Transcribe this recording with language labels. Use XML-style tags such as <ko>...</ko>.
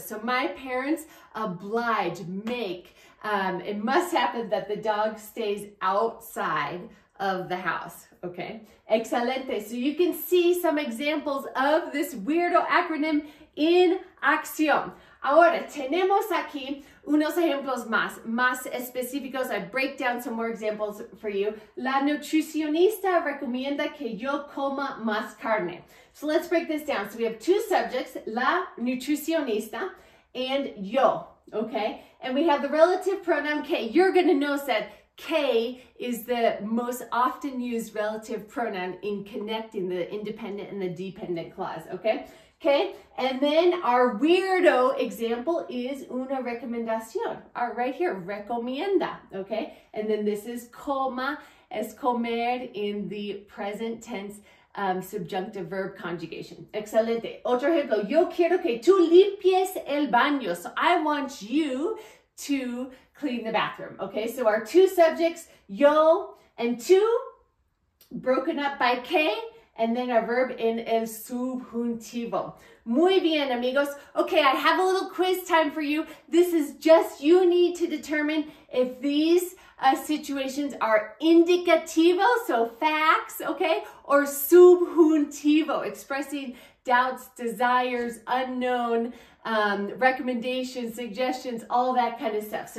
<en>So my parents oblige, make, it must happen that the dog stays outside of the house, okay? Excelente. So you can see some examples of this weirdo acronym in acción.</en> <es>Ahora, tenemos aquí unos ejemplos más específicos.</es> <en>I break down some more examples for you.</en> <es>La nutricionista recomienda que yo coma más carne.</es> <en>So let's break this down. So we have two subjects, la nutricionista and yo, okay? And we have the relative pronoun que. You're going to notice that que is the most often used relative pronoun in connecting the independent and the dependent clause, okay? Okay, and then our weirdo example is una recomendación, right here, recomienda, okay? And then this is coma, es comer in the present tense subjunctive verb conjugation.</en> <es>Excelente. Otro ejemplo, yo quiero que tú limpies el baño.</es> <en>So I want you to clean the bathroom, okay? So our two subjects, yo and tú, broken up by que. And then a verb in el subjuntivo.</en> <es>Muy bien, amigos.</es> <en>Okay, I have a little quiz time for you. This is just, you need to determine if these situations are indicativo, so facts, okay, or subjuntivo, expressing doubts, desires, unknown, recommendations, suggestions, all that kind of stuff.</en>